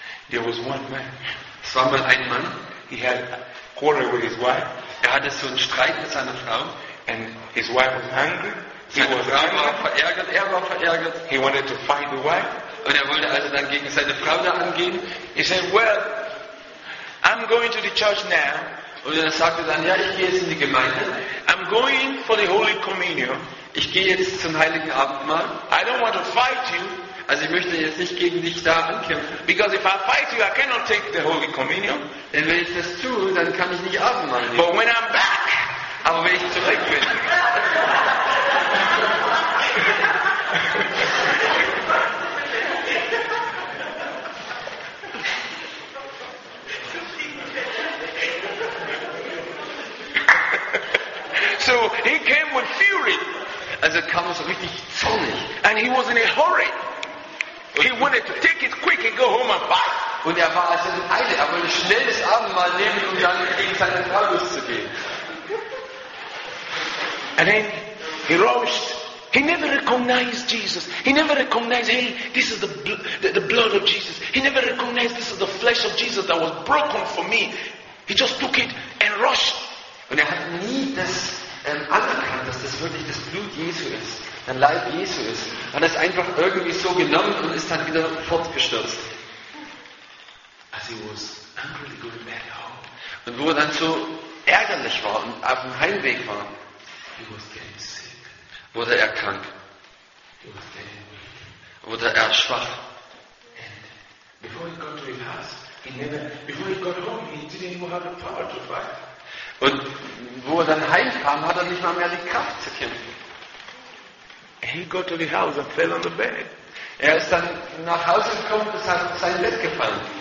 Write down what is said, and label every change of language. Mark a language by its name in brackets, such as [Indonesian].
[English] There was one man. [German] Es war mal ein Mann. [English] He had a quarrel with his wife. [German] Er hatte so einen Streit mit seiner Frau. [English] And his wife was angry. [German] Er war verärgert. [English] He wanted to fight the wife. [German] Und er wollte also dann gegen seine Frau da angehen. [English] He said, well, I'm going to the church now. [German] Und er sagte dann, ja, ich gehe jetzt in die Gemeinde. [English] I'm going for the Holy Communion. [German] Ich gehe jetzt zum Heiligen Abendmahl. [English] I don't want to fight you. [German] Also ich möchte jetzt nicht gegen dich da ankämpfen. [English] Because if I fight you, I cannot take the Holy Communion. [German] Denn wenn ich das tue, dann kann ich nicht Abendmahl nehmen. [English] But when I'm back. [German] Aber wenn ich zurück bin. [English] So he came with fury. [German] Also kam er so richtig zornig. [English] And he was in a hurry. He wanted to take it quick and go home and fight. [German] Und er war also in Eile, er wollte schnell das Abendmahl nehmen, um dann gegen seine Frau loszugehen. [English] And then he rushed. He never recognized Jesus. He never recognized, hey, this is the blood of Jesus. He never recognized this is the flesh of Jesus that was broken for me. He just took it and rushed. [German] Und er hat nie das anerkannt, dass das wirklich das Blut Jesu ist, der Leib Jesu ist. Er hat es einfach irgendwie so genommen und ist dann wieder fortgestürzt. [English] As he was angrily going back home. [German] Und wo er dann so ärgerlich war und auf dem Heimweg war, [English] he was getting sick. [German] Wurde er krank. [English] He was getting weak. [German] Wurde er schwach. [English] And before he got to his house, he never, before he got home, he didn't even have the power to fight. [German] Und wo er dann heimkam, hat er nicht mal mehr die Kraft zu kämpfen. [English] He got to the house and fell on the bed. [German] Er ist dann nach Hause gekommen und ist auf sein Bett gefallen.